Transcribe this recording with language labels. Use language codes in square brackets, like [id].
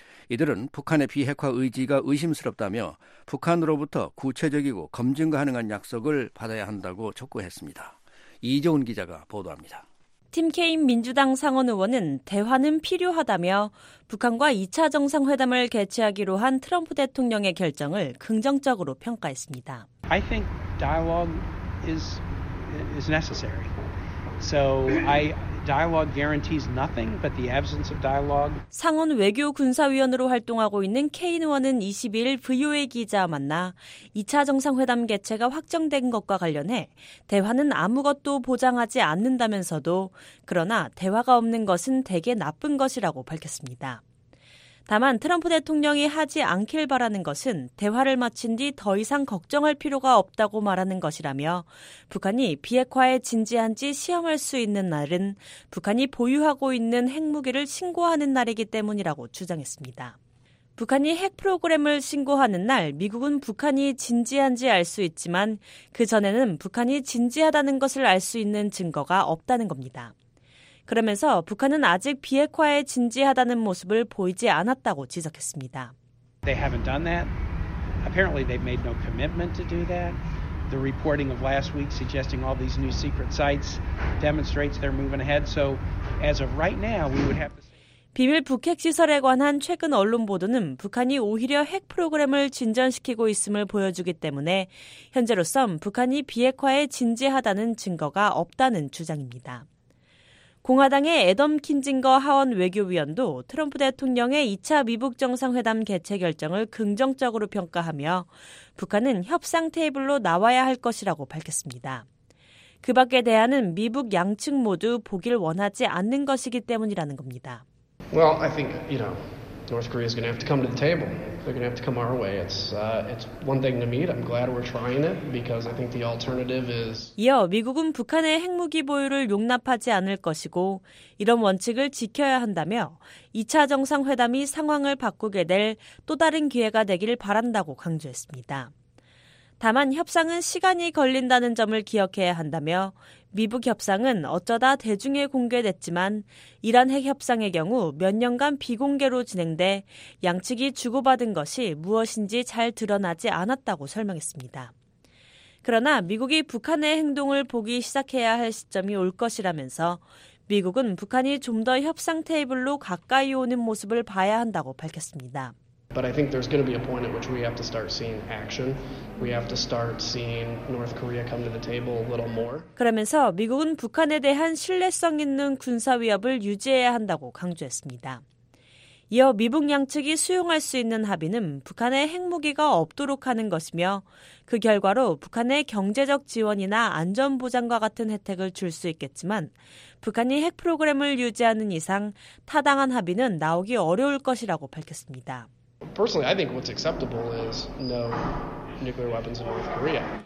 [ko] 이들은 북한의 비핵화 의지가 의심스럽다며 북한으로부터 구체적이고 검증 가능한 약속을 받아야 한다고 촉구했습니다. 이종훈 기자가 보도합니다. 팀 케인 민주당 상원 의원은 대화는 필요하다며 북한과 2차 정상회담을 개최하기로 한 트럼프 대통령의 결정을 긍정적으로 평가했습니다. [en] I think dialogue is necessary. So dialogue guarantees nothing but the absence of dialogue. [ko] 상원 외교 군사위원으로 활동하고 있는 케인 의원은 22일 VOA 기자와 만나 2차 정상회담 개최가 확정된 것과 관련해 대화는 아무것도 보장하지 않는다면서도 그러나 대화가 없는 것은 대개 나쁜 것이라고 밝혔습니다. 다만 트럼프 대통령이 하지 않길 바라는 것은 대화를 마친 뒤 더 이상 걱정할 필요가 없다고 말하는 것이라며 북한이 비핵화에 진지한지 시험할 수 있는 날은 북한이 보유하고 있는 핵무기를 신고하는 날이기 때문이라고 주장했습니다. 북한이 핵 프로그램을 신고하는 날 미국은 북한이 진지한지 알 수 있지만 그 전에는 북한이 진지하다는 것을 알 수 있는 증거가 없다는 겁니다. 그러면서 북한은 아직 비핵화에 진지하다는 모습을 보이지 않았다고 지적했습니다. [en] They haven't done that. Apparently they've made no commitment to do that. The reporting of last week suggesting all these new secret sites demonstrates they're moving ahead. So as of right now, we would have to [ko] 비밀 북핵 시설에 관한 최근 언론 보도는 북한이 오히려 핵 프로그램을 진전시키고 있음을 보여주기 때문에 현재로선 북한이 비핵화에 진지하다는 증거가 없다는 주장입니다. 공화당의 애덤 킨징거 하원 외교위원도 트럼프 대통령의 2차 미북 정상회담 개최 결정을 긍정적으로 평가하며 북한은 협상 테이블로 나와야 할 것이라고 밝혔습니다. 그 밖의 대안은 미북 양측 모두 보길 원하지 않는 것이기 때문이라는 겁니다. [en] Well, I think, you know, North Korea is going to have to come to the table. They're going to have to come our way. It's one thing to meet. I'm glad we're trying it because I think the alternative is. [ko] 이어 미국은 북한의 핵무기 보유를 용납하지 않을 것이고 이런 원칙을 지켜야 한다며 2차 정상회담이 상황을 바꾸게 될 또 다른 기회가 되길 바란다고 강조했습니다. 다만 협상은 시간이 걸린다는 점을 기억해야 한다며 미북 협상은 어쩌다 대중에 공개됐지만 이란 핵 협상의 경우 몇 년간 비공개로 진행돼 양측이 주고받은 것이 무엇인지 잘 드러나지 않았다고 설명했습니다. 그러나 미국이 북한의 행동을 보기 시작해야 할 시점이 올 것이라면서 미국은 북한이 좀 더 협상 테이블로 가까이 오는 모습을 봐야 한다고 밝혔습니다. [en] But I think there's going to be a point at which we have to start seeing action. We have to start seeing North Korea come to the table a little more. [ko] 그러면서 미국은 북한에 대한 신뢰성 있는 군사 위협을 유지해야 한다고 강조했습니다. 이어 미북 양측이 수용할 수 있는 합의는 북한의 핵무기가 없도록 하는 것이며 그 결과로 북한의 경제적 지원이나 안전보장과 같은 혜택을 줄 수 있겠지만 북한이 핵 프로그램을 유지하는 이상 타당한 합의는 나오기 어려울 것이라고 밝혔습니다. [en] Personally, I think what's acceptable is no nuclear weapons in North Korea.